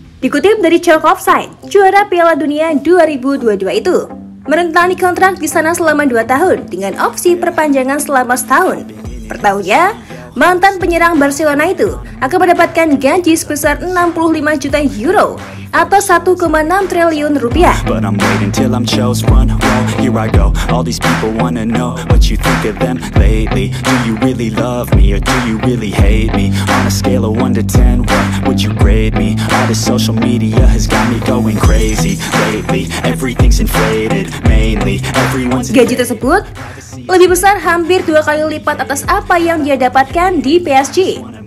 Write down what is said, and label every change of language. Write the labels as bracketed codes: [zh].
[id] Dikutip dari Chalk Offside, juara Piala Dunia 2022 itu menandatangani kontrak di sana selama 2 tahun dengan opsi perpanjangan selama setahun. Pertahunya, mantan penyerang Barcelona itu akan mendapatkan gaji sebesar 65 juta euro atau 1,6 triliun rupiah. [en] But I'm waiting till I'm chose, run, roll, here I go. All these people wanna know what you think of them lately. Do you really love me or do you really hate me? On a scale of 1 to 10, what would you grade me? All this social media has got me going crazy lately. Everything's inflated, mainly everyone's inflated. [id] Gaji tersebut lebih besar hampir 2 kali lipat atas apa yang dia dapatkan di PSG.